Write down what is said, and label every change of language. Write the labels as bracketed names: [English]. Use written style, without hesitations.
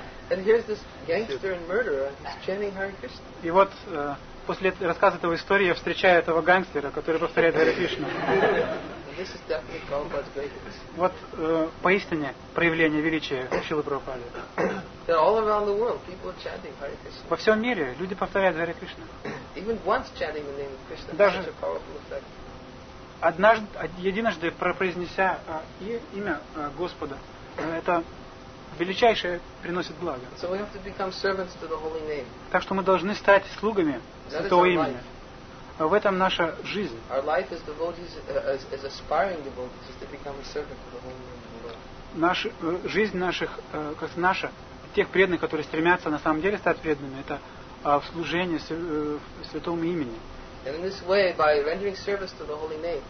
[English] And here's this gangster and murderer. He's chanting Hare Krishna. [Russian] И вот после рассказа этого истории я встречаю этого гангстера, который повторяет Hare Krishna. [English] This is definitely Prabhupada's greatness. [Russian] Вот поистине проявление величия Шрилы Прабхупады. [English] That all around the world people are chanting Hare Krishna. [Russian] Во всем мире люди повторяют Hare Krishna. [English] Even once chanting the name of Krishna has such a powerful effect. [Russian] Единожды произнеся имя Господа, это величайшее приносит благо. [English] So we have to become servants to the holy name. [Russian] Так что мы должны стать слугами святого имени. В этом наша жизнь. [English] Our life as devotees, as aspiring devotees, is to become a servant to the holy name of the Lord. [Russian] Наша жизнь тех преданных, которые стремятся на самом деле стать преданными, это в служении святому имени. [English] And in this way, by rendering service to the holy name.